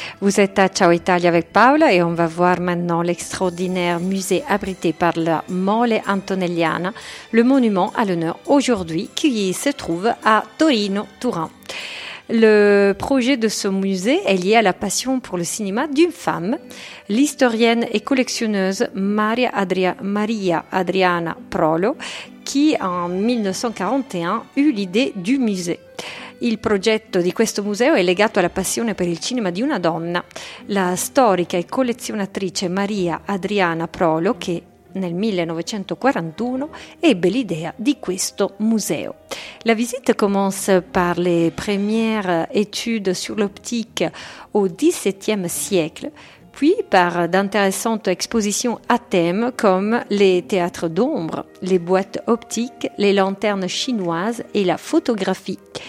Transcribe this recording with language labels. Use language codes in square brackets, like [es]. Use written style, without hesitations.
[fr] Vous êtes à Ciao Italia avec Paola et on va voir maintenant l'extraordinaire musée abrité par la Mole Antonelliana, le monument à l'honneur aujourd'hui qui se trouve à Torino-Turin. Le projet de ce musée est lié à la passion pour le cinéma d'une femme, l'historienne et collectionneuse Maria Adriana Prolo, qui en 1941 eut l'idée du musée. [it] Il progetto di questo museo è legato alla passione per il cinema di una donna, la storica e collezionatrice Maria Adriana Prolo, che nel 1941 ebbe l'idea di questo museo. [fr] La visite commence par les premières études sur l'optique au XVIIe siècle, puis par d'intéressantes expositions à thème comme les théâtres d'ombre, les boîtes optiques, les lanternes chinoises et la photographie.